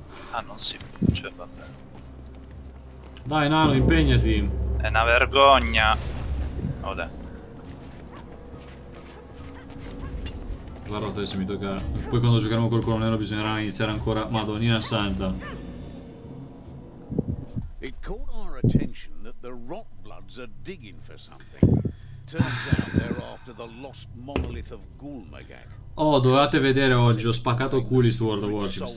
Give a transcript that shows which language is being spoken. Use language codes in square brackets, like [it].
[it] Ah, non si luce, vabbè. Dai, nano, impegnati. È una vergogna. Ode. Guardate se mi tocca. Poi quando giocheremo col colonnello bisognerà iniziare ancora. Madonnina santa. [en] It caught our attention that the Rotbloods are digging for something. Turns out they're after the lost monolith of Gulmagak. [it] Oh, dovevate vedere oggi, ho spaccato culi su World of Warships.